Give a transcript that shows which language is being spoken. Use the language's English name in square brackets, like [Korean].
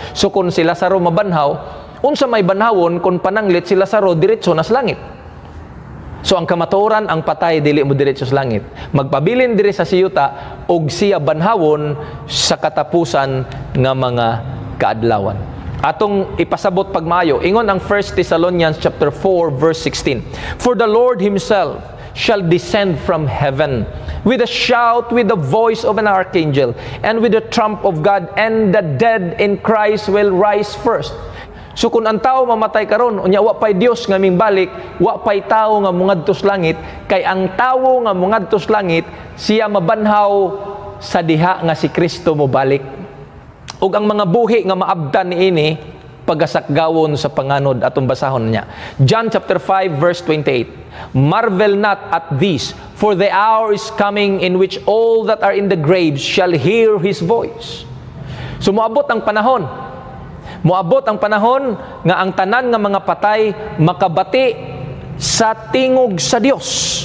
[Cebuano] So kung si Lazaro mabanhaw, unsa may banhawon kung pananglit si Lazaro diretso na sa langit. So ang kamatuoran, ang patay dili mo diretso sa langit. Magpabilin diri sa siyuta og siya banhawon sa katapusan ng mga kaadlawan. Atong ipasabot pagmayo, ingon ang 1 Thessalonians chapter 4 verse 16. [English] For the Lord himself shall descend from heaven with a shout, with the voice of an archangel, and with the trump of God, and the dead in Christ will rise first. [Cebuano] So kung ang tao mamatay karon, unya wa pay Dios nga mingbalik, wa pay tao nga mungadto sa langit, kay ang tao nga mungadto sa langit siya mabanhaw sa diha nga si Kristo mobalik. Ug ang mga buhi nga maabdan niini pagasakgawon sa panganod, atong basahon niya. [English] John chapter 5 verse 28. Marvel not at this, for the hour is coming in which all that are in the graves shall hear his voice. [Cebuano] So moabot ang panahon. Moabot ang panahon nga ang tanan nga mga patay makabati sa tingog sa Dios.